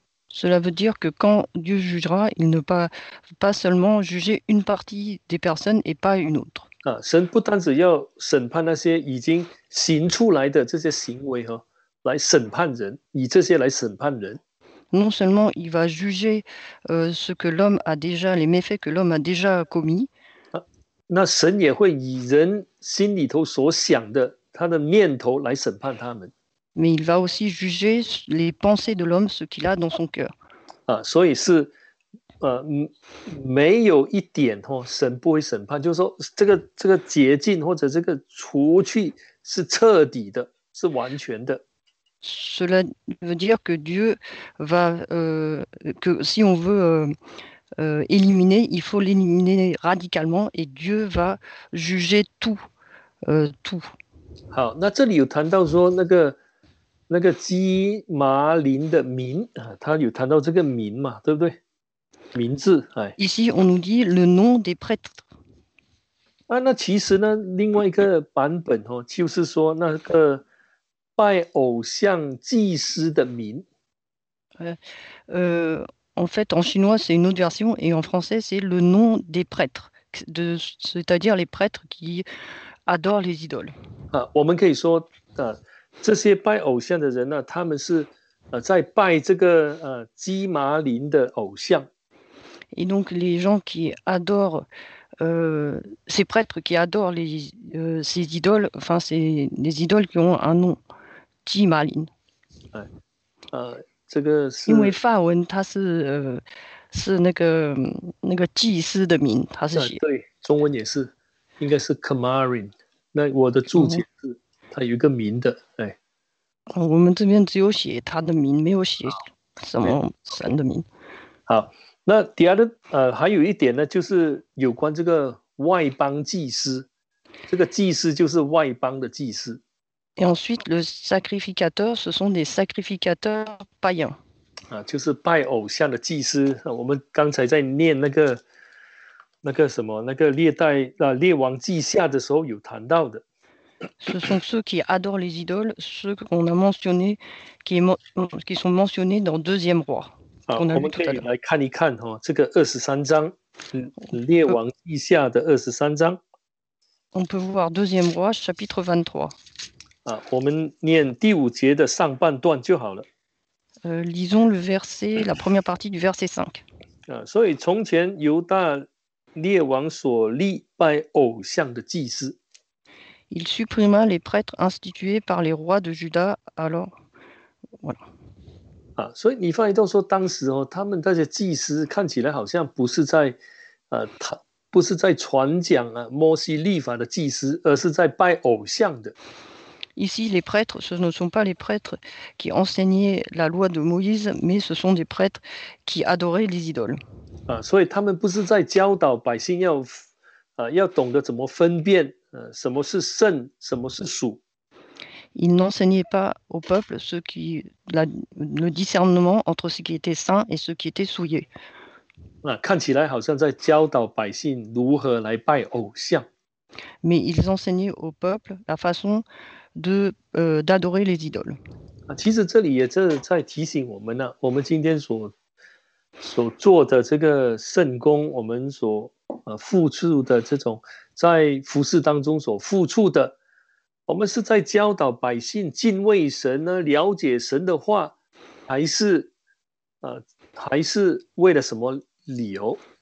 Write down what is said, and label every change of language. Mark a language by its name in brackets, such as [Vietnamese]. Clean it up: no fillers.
[French] Cela veut dire que quand Dieu jugera, il ne pas seulement juger une partie des personnes et pas une autre. [Chinese] 啊，神不单只要审判那些已经行出来的这些行为哈、啊，来审判人，以这些来审判人。 [French] Non seulement il va juger ce que l'homme a déjà les méfaits que l'homme a déjà commis.、 [Chinese] 啊、那神也会以人心里头所想的。他的念头来审判他们。 [French] Mais il va aussi juger les pensées de l'homme, ce qu'il a dans son cœur. [Chinese] 啊，所以是，没有一点哦，神不会审判，就是说这个洁净或者这个除去是彻底的，是完全的。 [French] Cela veut dire que Dieu va, que si on veut éliminer, il faut l'éliminer radicalement et Dieu va juger tout, tout. [Chinese] 好，那这里有谈到说那个基麻林的民啊，他有谈到这个民嘛，对不对？名字，哎。 [French] Ici, on nous dit le nom des prêtres. [Chinese] 啊，那其实呢，另外一个版本哦，就是说那个拜偶像祭司的民。 [French] En fait, en chinois, c'est une autre version, et en français, c'est le nom des prêtres, c'est-à-dire les prêtres qui adorent les idoles. [Chinese] 啊、我们可以说、啊、这些拜偶像的人、啊、他们是、在拜这个、基麻林的偶像。 [French] Et donc les gens qui adorent, ces prêtres qui adorent les, ces idoles, enfin c'est les idoles qui ont un nom, 基麻林。 [Chinese] 这个是。因为法文它是、是那个祭司的名，它是写、啊。对，中文也是，应该是 Kamarin。那我的注解是，他有一个名的，哎，我们这边只有写他的名，没有写什么神的名。好，那第二的还有一点呢，就是有关这个外邦祭司，这个祭司就是外邦的祭司。 [French] Et ensuite, le sacrificateur, ce sont des sacrificateurs païens. [Chinese] 啊，就是拜偶像的祭司。我们刚才在念那个什么，那个列王记下的时候有谈到的。 [French] Ce sont ceux qui adorent les idoles, ceux qu'on a mentionnés, qui sont mentionnés dans Deuxième Roi, qu'on a [Chinese] 我 [French] lu [Chinese] 们 [French] tout [Chinese] 可 [French] à [Chinese] 以 [French] l'heure. [Chinese] 来看一看哈、哦，这个二十三章，列王记下的二十三章。 [French] On peut voir Deuxième Roi, chapitre 23. [Chinese] 我们念第五节的上半段就好了。 [French] Lisons le verset, la première partie du verset 5. [Chinese] 所以从前犹大列王所立拜偶像的祭司。 [French] Il supprima les prêtres institués par les rois de Juda. Alors, voilà. [Chinese] 所以你发现到说，当时哦，他们那些祭司看起来好像不是在，不是在传讲啊，摩西律法的祭司，而是在拜偶像的。 [French] Ici, les prêtres, ce ne sont pas les prêtres qui enseignaient la loi de Moïse, mais ce sont des prêtres qui adoraient les idoles. [Chinese] 所以他们不是在教导百姓要，要懂得怎么分辨。什么是圣，什么是属。 [French] Il n'enseignait pas au peuple ce qui, le discernement entre ce qui était saint et ce qui était souillé. [Chinese] 看起来好像在教导百姓如何来拜偶像。 [French] Mais ils enseignaient au peuple la façon de, d'adorer les idoles. [Chinese] 其实这里也在提醒我们、我们今天所做的这个圣工，我们所付出的这种在服事当中所付出的，我们是在教导百姓敬畏神呢，了解神的话，还是为了什么理由？